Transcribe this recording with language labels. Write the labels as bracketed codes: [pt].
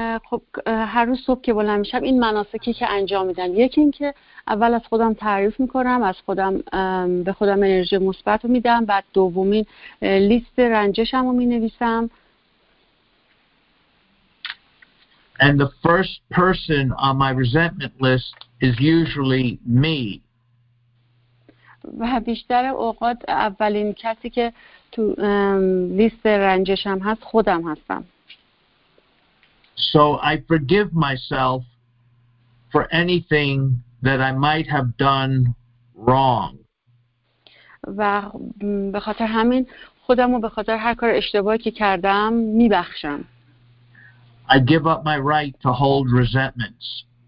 [fa] خب هر روز صبح که بلند میشم این مناسکی که انجام میدم، یکی این که اول از خودم تعریف میکنم، از خودم به خودم انرژی مثبت رو میدم، بعد دومین لیست رنجشم رو مینویسم. [en] And the first person on my resentment list is usually me. [fa] و بیشتر اوقات اولین کسی که تو لیست رنجشم هست خودم هستم. [en] So I forgive myself for anything that I might have done wrong. [fa] و به خاطر همین خودم رو به خاطر هر کار اشتباهی که کردم میبخشم. [en] I give up my right to hold resentments.